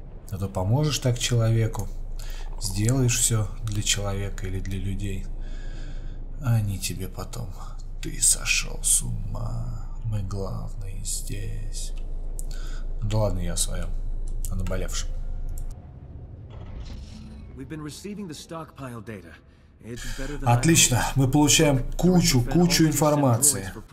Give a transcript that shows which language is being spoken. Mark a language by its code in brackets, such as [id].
[ru] А то поможешь так человеку. Сделаешь все для человека или для людей. А они тебе потом. Ты сошел с ума. Мы главные здесь. Да ладно, я о своем. О наболевшем. [en] We've been receiving the stockpile data. It's better than [ru] отлично, мы получаем кучу информации.